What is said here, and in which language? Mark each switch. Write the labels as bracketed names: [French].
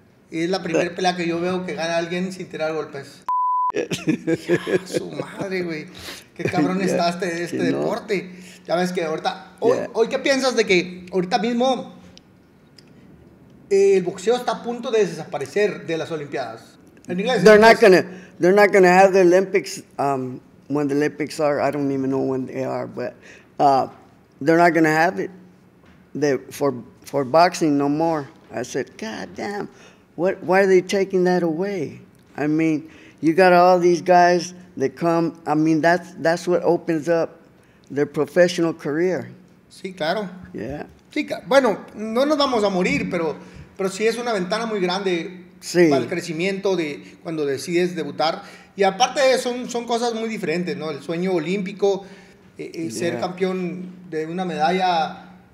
[Spanish] Y es la primera pelea que yo veo que gana alguien sin tirar golpes. Su madre, güey. Qué cabrón estaste de este deporte. Ya ves que ahorita... Hoy, ¿qué piensas de que ahorita mismo... el boxeo está a punto de desaparecer de las Olimpiadas. En inglés. [English] They're not gonna have the Olympics when the Olympics are. I don't even know when they are, but they're not gonna have it. For boxing no more. I said, God damn, why are they taking that away? I mean, you got all these guys that come. I mean, that's what opens up their professional career. [Spanish] Sí, claro. [English] Yeah. [Spanish] Sí, bueno, no nos vamos a morir, pero sí es una ventana muy grande para el crecimiento de cuando decides debutar. Y aparte son cosas muy diferentes, ¿no? El sueño olímpico, ser campeón de una medalla.